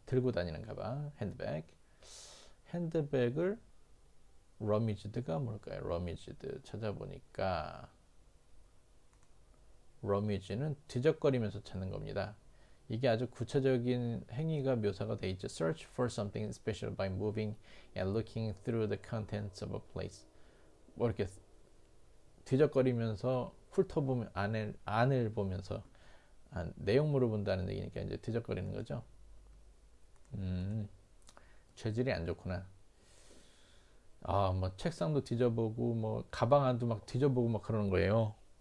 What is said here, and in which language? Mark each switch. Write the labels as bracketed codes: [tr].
[ko] 들고 다니는 가방, 핸드백. 핸드백을 러미즈드가 뭘까요? 러미즈드 찾아보니까 러미즈는 뒤적거리면서 찾는 겁니다. 이게 아주 구체적인 행위가 묘사가 돼 있죠. [en] Search for something special by moving and looking through the contents of a place. [ko] 뭐 이렇게 뒤적거리면서 훑어보면 안을 보면서 아, 내용물을 본다는 얘기니까 이제 뒤적거리는 거죠. 체질이 안 좋구나. 아, 뭐 책상도 뒤져보고 뭐 가방 안도 막 뒤져보고 막 그러는 거예요.